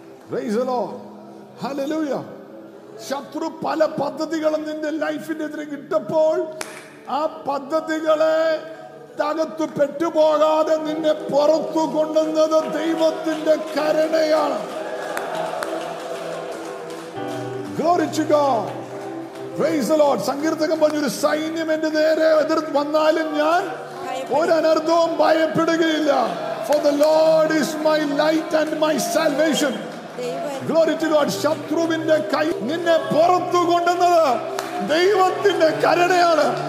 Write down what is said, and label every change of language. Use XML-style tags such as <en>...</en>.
<en>Praise the Lord. Hallelujah.</en> <ml>ശത്രു പല പദ്ധതികളും നിന്റെ ലൈഫിന്റെ എതിരെ ഇട്ടപ്പോൾ ആ പദ്ധതികളെ തകത്തു പെട്ടുപോകാതെ നിന്നെ പുറത്തു കൊണ്ടുവന്നത് ദൈവത്തിന്റെ കരുണയാണ്.</ml> <en>Glory to God. Praise the Lord.</en> <ml>സങ്കീർത്തകൻ പറഞ്ഞു, ഒരു സൈന്യം എന്റെ നേരെ എതിർ വന്നാലും ഞാൻ ഒരനർത്ഥവും ഭയപ്പെടുകയില്ല.</ml> <en>For the Lord is my light and my salvation. Glory to God.</en> <ml>ശത്രുവിന്റെ കൈ നിന്നെ പുറത്തു കൊണ്ടുവന്നത് ദൈവത്തിന്റെ കരുണയാണ്.</ml>